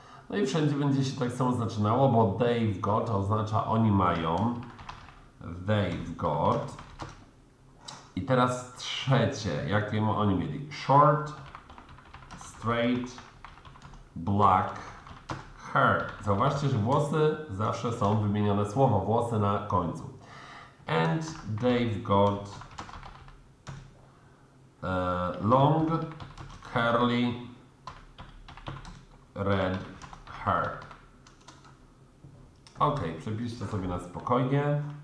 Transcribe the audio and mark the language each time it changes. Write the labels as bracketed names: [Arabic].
[Polish] No i wszędzie będzie się tak samo zaczynało, bo [English] they've got [Polish] oznacza oni mają, they've got. I teraz trzecie, jakie oni mieli? [English] Short, straight, black hair. [Polish] Zauważcie, że włosy zawsze są wymienione słowo, włosy na końcu. [English] And they've got long, curly, red hair. [Polish] Ok, przepiszcie sobie na spokojnie.